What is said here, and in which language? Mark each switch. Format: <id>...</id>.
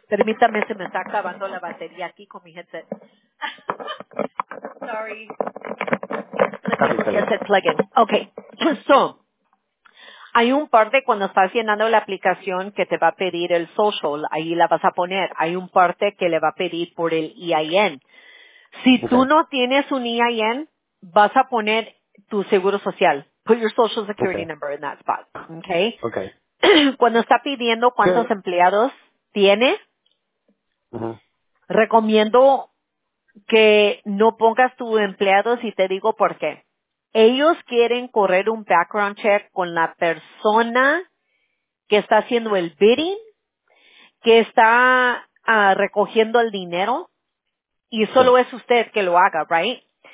<es>Permítame, se me está acabando la batería aquí con mi headset.</es> <en>Sorry. Headset plug-in. Okay.</en> <es>So, hay un parte cuando estás llenando la aplicación que te va a pedir el Social, ahí la vas a poner. Hay un parte que le va a pedir por el EIN. Si tú no tienes un EIN, vas a poner tu seguro social.</es> <en>Put your social security number in that spot. Okay. Okay.</en> <es>Cuando está pidiendo cuántos empleados tiene, recomiendo que no pongas tu empleados y te digo por qué. Ellos quieren correr un background check con la persona que está haciendo el bidding, que está recogiendo el dinero, y solo es usted que lo haga, right?</es>